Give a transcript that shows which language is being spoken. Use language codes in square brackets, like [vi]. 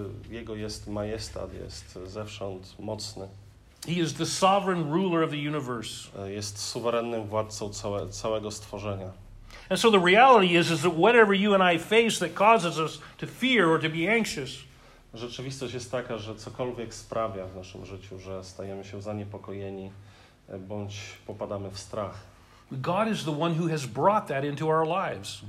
[pl] Jego jest majestat, jest zewsząd mocny. [en] He is the sovereign ruler of the universe. [pl] Jest suwerennym władcą całego stworzenia. [en] And so the reality is that whatever you and I face that causes us to fear or to be anxious. [pl] Rzeczywistość jest taka, że cokolwiek sprawia w naszym życiu, że stajemy się zaniepokojeni bądź popadamy w strach. [en] God is the one who has brought that into our lives.